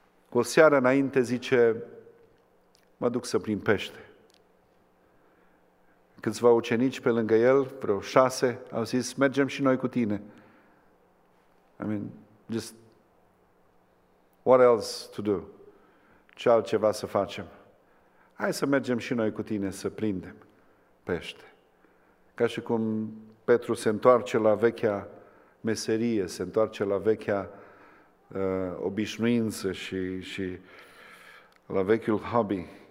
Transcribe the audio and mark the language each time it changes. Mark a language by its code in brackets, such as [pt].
[ro] O seară înainte zice, mă duc să prind pește. Câțiva ucenici pe lângă el, vreo 6, au zis, mergem și noi cu tine. [en] I mean, just what else to do? [ro] Ce altceva să facem? Hai să mergem și noi cu tine să prindem pește. Ca și cum Petru se întoarce la vechea meserie, se întoarce la vechea obișnuință și la vechiul hobby.